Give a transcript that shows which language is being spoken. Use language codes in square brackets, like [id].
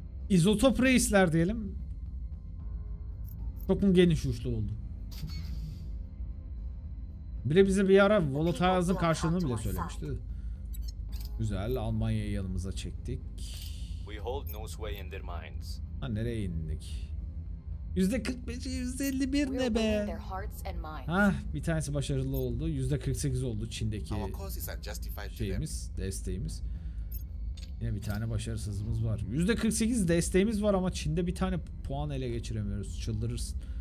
[tr] İzotop reisler diyelim. Çok mu geniş uçlu oldu? Biri bize bir ara Volatiles'ın karşılığını bile söylemişti. Güzel, Almanya'yı yanımıza çektik. [en] We hold no sway in their minds. [tr] Ha nereye indik? %45, %51 ne be? Hah, bir tanesi başarılı oldu. %48 oldu Çin'deki şeyimiz, desteğimiz. Yine bir tane başarısızımız var. %48 desteğimiz var ama Çin'de bir tane puan ele geçiremiyoruz. Çıldırırız.